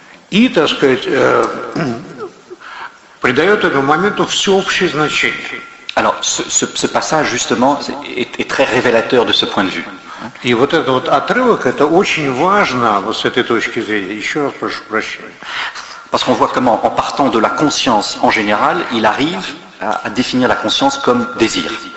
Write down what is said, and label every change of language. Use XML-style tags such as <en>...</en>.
<ru>И, так сказать, придает этому моменту всеобщее значение.</ru> <fr>Alors, ce passage, justement, est très révélateur de ce point de vue.</fr> <ru>И вот этот вот отрывок, это очень важно вот с этой точки зрения. Еще раз прошу прощения.</ru> <fr>Parce qu'on voit comment, en partant de la conscience en général, il arrive à définir la conscience comme désir.</fr>